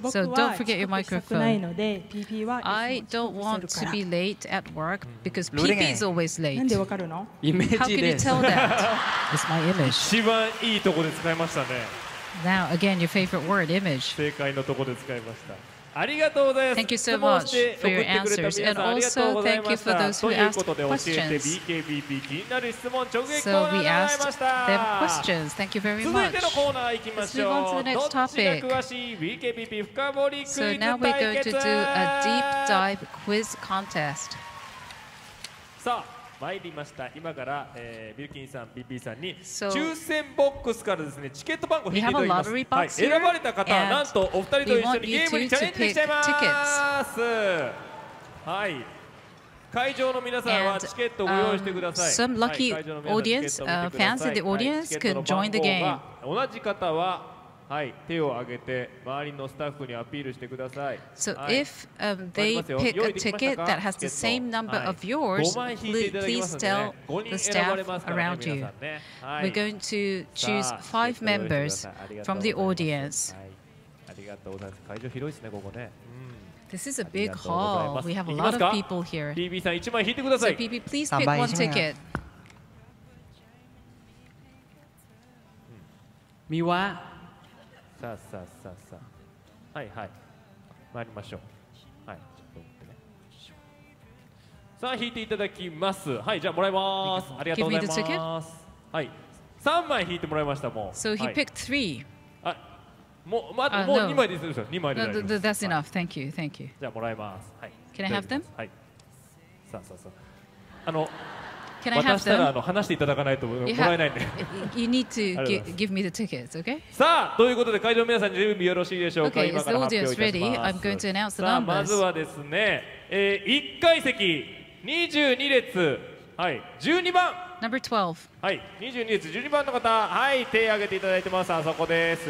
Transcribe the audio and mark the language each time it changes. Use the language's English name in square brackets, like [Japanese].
[English] so don't forget your microphone I don't want to be late at work because PP is always late [Japanese] なんでわかるの [English] How can you tell that? It's my image [Japanese] 一番いいとこで使いましたね [English] Now again your favorite word image [Japanese] 正解のとこで使いましたありがとうございます。 [English] Thank you so much for your answers. And also, thank you for those who asked questions. [Japanese] BKPP 気になる質問直撃コーナーでございました。 [English] So we asked them questions. Thank you very much. [Japanese] 続いてのコーナー行きましょう。 [English] Let's move on to the next topic. [Japanese] どっちが詳しい BKPP 深掘りクイズ対決。 [English] So now we're going to do a deep dive quiz contest. [Japanese] さあ、参りました。今から、ビルキンさん、BP さんに抽選ボックスからですね、チケット番号引いていただきます。はい、選ばれた方はなんとお二人と一緒にゲームにチャレンジしてます。はい。 [English] And some lucky audience, fans in the audience could join the game. [Japanese] 同じ方は、はい、手を挙げて周りのスタッフにアピールしてください。 [English] So if they pick a ticket that has the same number of yours, please tell the staff around you. We're going to choose five members from the audience. [Japanese] ありがとうございます。会場広いですね、ここね。 [English] This is a big hall. We have a lot of people here. [Japanese] PB さん、1枚引いてください。 [English] PB, please pick one ticket. [Japanese] みわ。さあさあさあさあ。はいはい。参りましょう。はい。ちょっと待ってね。さあ、引いていただきます。はい、じゃあもらいます。ありがとうございます。 [English] Give me the ticket. [Japanese] はい。 3枚引いてもらいました、もう。 [English] So he picked three. [Japanese] もう、まあ、もう2枚でいいですよ、2枚で大丈夫です。 [English] That's enough. Thank you. Thank you. [Japanese] じゃあもらいます。はい。 [English] Can I have them? [Japanese] はい。さあさあさあ。あの、渡したら話していただかないともらえないんで。 [English] You need to give me the tickets, okay? [Japanese] さあ、ということで会場の皆さん準備よろしいでしょうか。今から発表いたします。 [English] Okay, is the audience ready? I'm going to announce the numbers. [Japanese] さあ、まずはですね、1階席、22列、はい、12番。 [English] Number 12. [Japanese] はい、22列12番の方、はい、手を挙げていただいてます。あそこです。